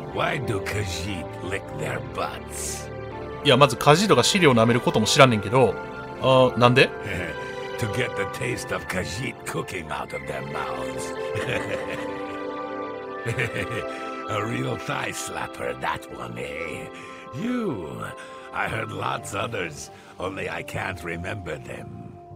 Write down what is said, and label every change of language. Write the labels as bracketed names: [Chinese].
[English] Why do Khajiit lick their butts? [Japanese] いや、まずKhajiitが尻を舐めることも知らんねんけど、なんで？ [English] To get the taste of Khajiit cooking out of their mouths. A real thigh slapper, that one, eh? You, I heard lots others. Only I can't remember them.